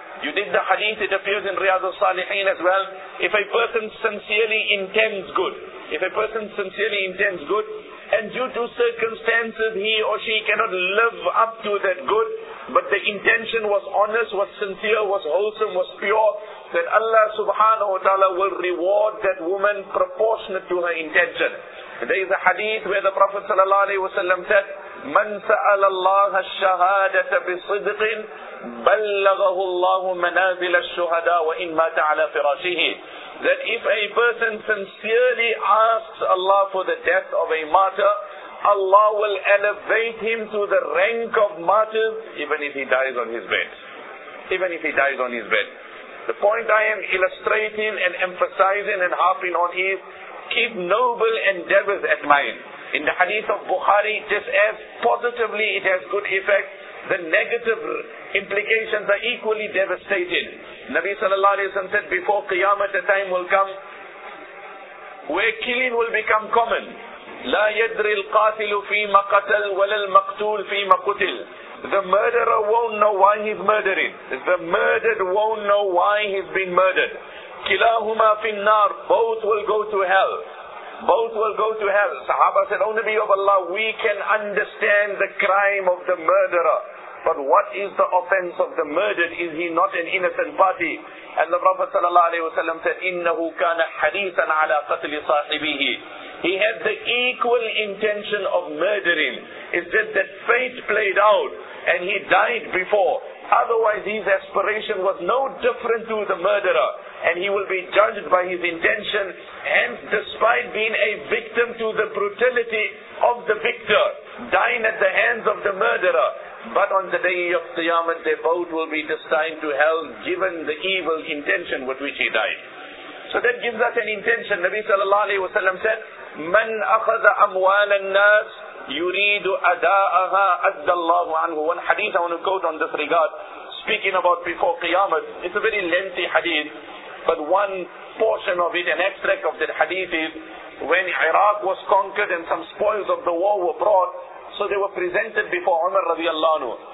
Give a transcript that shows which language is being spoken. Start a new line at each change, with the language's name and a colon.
English: You did the hadith, it appears in Riyadh al-Salihin as well. If a person sincerely intends good, if a person sincerely intends good, and due to circumstances he or she cannot live up to that good, but the intention was honest, was sincere, was wholesome, was pure, that Allah subhanahu wa ta'ala will reward that woman proportionate to her intention. There is a hadith where the Prophet sallallahu alayhi wa sallam said,
Arabic: مَنْ سَأَلَ اللَّهَ الشَّهَادَةَ بِصِدْقٍ بَلَّغَهُ اللَّهُ مَنَازِلَ الشُّهَدَى وَإِنْ مَاتَ عَلَى فِرَاشِهِ.
English: That if a person sincerely asks Allah for the death of a martyr, Allah will elevate him to the rank of martyrs, even if he dies on his bed. Even if he dies on his bed. The point I am illustrating and emphasizing and harping on is, keep noble endeavors at mind. In the hadith of Bukhari, just as positively it has good effect, the negative implications are equally devastating. Nabi sallallahu alayhi wa sallam said, before Qiyamah, a time will come where killing will become common.
Arabic: لا يدري القاتل فيما قتل ولا المقتول فيما قتل.
English: The murderer won't know why he's murdering. The murdered won't know why he's been murdered.
Arabic: كلاهما في النار.
English: Both will go to hell. Both will go to hell. Sahaba said, O Nabi of Allah, we can understand the crime of the murderer. But what is the offense of the murdered? Is he not an innocent party? And the Prophet sallallahu alayhi wa sallam said,
Arabic: إِنَّهُ كَانَ حَدِيثًا عَلَىٰ قَتْلِ صَاحِبِهِ.
English: He had the equal intention of murdering. It's just that fate played out and he died before. Otherwise his aspiration was no different to the murderer, and he will be judged by his intention. Hence, despite being a victim to the brutality of the victor, dying at the hands of the murderer, but on the day of Qiyamah, their boat will be destined to hell given the evil intention with which he died. So that gives us an intention. Nabi sallallahu alayhi wa sallam said,
Arabic: مَنْ أَخَذَ أَمْوَالَ النَّاسِ يُرِيدُ أَدَاءَهَا أَدَّ اللَّهُ عَنْهُ.
English: One hadith I want to quote on this regard, speaking about before Qiyamah. It's a very lengthy hadith, but one portion of it, an extract of that hadith is, when Iraq was conquered and some spoils of the war were brought, so they were presented before Umar radiallahu anhu.